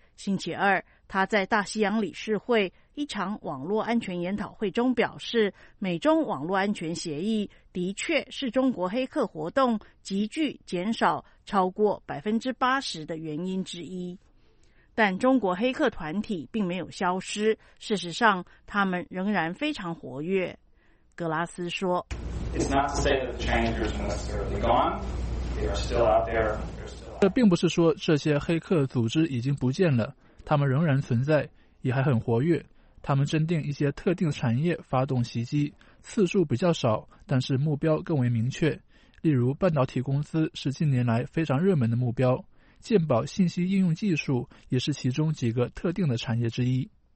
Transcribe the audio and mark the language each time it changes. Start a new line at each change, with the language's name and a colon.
Chinese: 星期二，他在大西洋理事会一场网络安全研讨会中表示，美中网络安全协议的确是中国黑客活动急剧减少超过80%的原因之一。但中国黑客团体并没有消失，事实上，他们仍然非常活跃。格拉斯说
English: ：“It's not to say that the changers are necessarily gone. They are still out there.”
Chinese: 这并不是说这些黑客组织已经不见了，他们仍然存在，也还很活跃。他们针对一些特定产业发动袭击，次数比较少，但是目标更为明确。例如，半导体公司是近年来非常热门的目标，健保信息应用技术也是其中几个特定的产业之一。